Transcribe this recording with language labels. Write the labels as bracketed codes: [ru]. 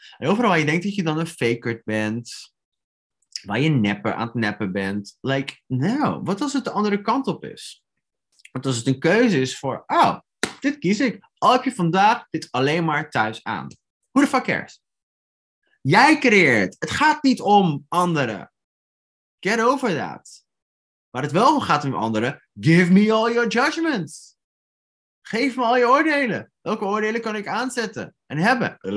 [nl] En overal waar je denkt dat je dan een faker bent, waar je nepper aan het neppen bent, like, nou, wat als het de andere kant op is? Want als het een keuze is voor, oh, dit kies ik, al heb je vandaag dit alleen maar thuis aan. [en] Who the fuck cares? Jij creëert. [nl] Het gaat niet om anderen. Get over that. Maar het wel gaat om anderen. [en] Give me all your judgments. [nl] Geef me al je oordelen. Welke oordelen kan ik aanzetten en hebben?